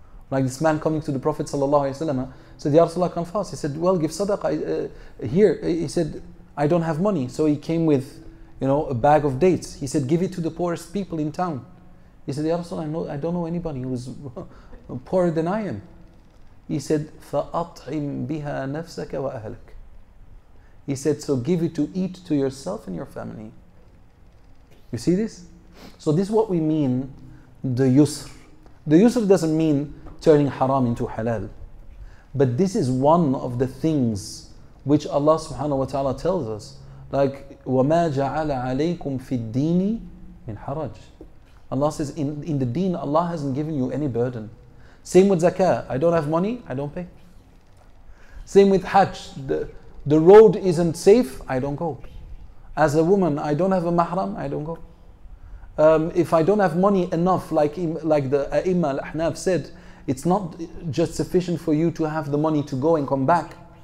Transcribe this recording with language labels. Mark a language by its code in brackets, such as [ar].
[en] Like this man coming to the Prophet ﷺ, said, Ya Rasulullah, I can't fast. He said, well, give sadaqah here. He said, I don't have money. So he came with, you know, a bag of dates. He said, give it to the poorest people in town. He said, Ya Rasulullah, I don't know anybody who's poorer than I am. He said, [ar] فَأَطْعِمْ بِهَا نَفْسَكَ وَأَهْلَكَ. [en] He said, so give it to eat to yourself and your family. You see this? So this is what we mean, the yusr. The yusr doesn't mean turning haram into halal. But this is one of the things which Allah subhanahu wa ta'ala tells us. [ar] Like, وَمَا جَعَلَ عَلَيْكُمْ فِي الدِّينِ مِنْ حَرَجِ. [en] Allah says, in the deen, Allah hasn't given you any burden. Same with zakah. I don't have money, I don't pay. Same with hajj. The road isn't safe, I don't go. As a woman, I don't have a mahram, I don't go. If I don't have money enough, like the A'imma al-Ahnaf said, it's not just sufficient for you to have the money to go and come back.